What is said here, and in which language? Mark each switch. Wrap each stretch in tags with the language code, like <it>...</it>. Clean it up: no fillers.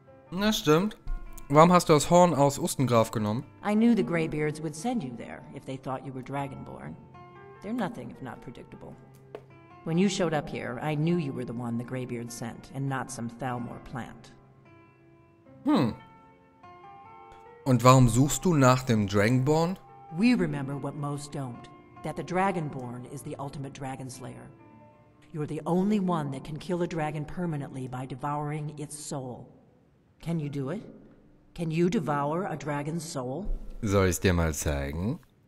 <de>Na, stimmt. Warum hast du das Horn aus Ustengraf genommen?</de> <en>I knew the Greybeards would send you there if they thought you were Dragonborn. They're nothing if not predictable. When you showed up here, I knew you were the one the Greybeard sent, and not some Thalmor plant. Hm.</en> <de>Und warum suchst du nach dem Dragonborn?</de> <en>We remember what most don't, that the Dragonborn is the ultimate dragon slayer. You're the only one that can kill a dragon permanently by devouring its soul. Can you do it? Can you devour a dragon's soul?</en> <de>Soll ich's dir mal zeigen?</de>